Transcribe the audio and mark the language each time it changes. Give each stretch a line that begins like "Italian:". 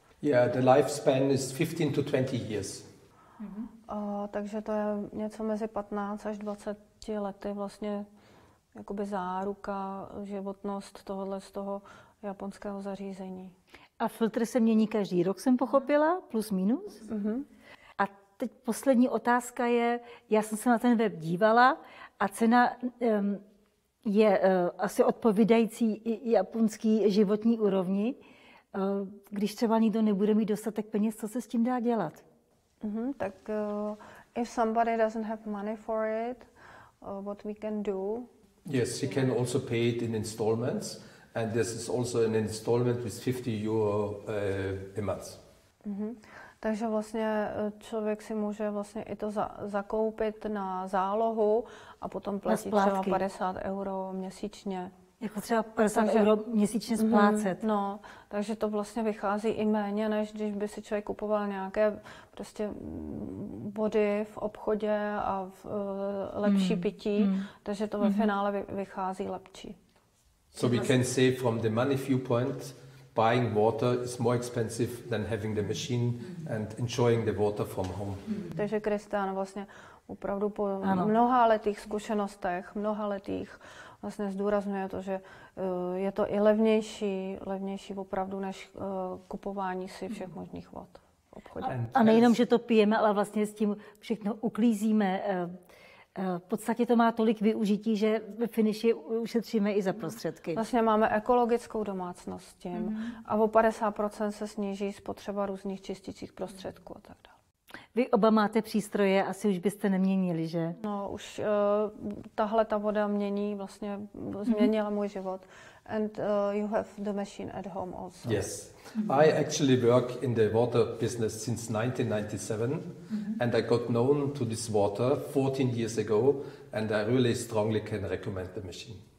English: Yeah, the lifespan is 15 to 20 years.
Czech: Takže to je něco mezi 15 až 20 lety vlastně jakoby záruka, životnost tohohle z toho japonského zařízení. A filtr se mění každý rok, jsem pochopila, plus minus. A teď poslední otázka je, já jsem se na ten web dívala a cena je asi odpovídající japonský životní úrovni. Když třeba nikdo nebude mít dostatek peněz, co se s tím dá dělat?
English: Tak if somebody doesn't have money for it, what we can do? Yes, you can also pay it in installments, and this is also an installment with 50 euro a month.
Czech: Takže vlastně člověk si může vlastně i to zakoupit na zálohu a potom platit třeba 50 euro měsíčně. Jako třeba 50 euro měsíčně splácet. No, takže to vlastně vychází i méně, než když by si člověk kupoval nějaké prostě body v obchodě a v lepší pití, takže to ve finále vychází lepší.
English: So we can say from the money viewpoint, buying water is more expensive than having the machine and enjoying the water from home.
Czech: Takže Kristian vlastně opravdu po mnoha letých zkušenostech, vlastně zdůrazňuje to, že je to i levnější opravdu než kupování si všech možných vod v obchodě. A nejenom, že to pijeme, ale vlastně s tím všechno uklízíme, V podstatě to má tolik využití, že ve finiši ušetříme i za prostředky. Vlastně máme ekologickou domácnost tím a o 50% se sníží spotřeba různých čistících prostředků a tak dále. Vy oba máte přístroje, asi už byste neměnili, že? No už tahle ta voda mění, vlastně změnila můj život.
English: And you have the machine at home also. Yes. I actually work in the water business since 1997 and I got known to this water 14 years ago and I really strongly can recommend the machine.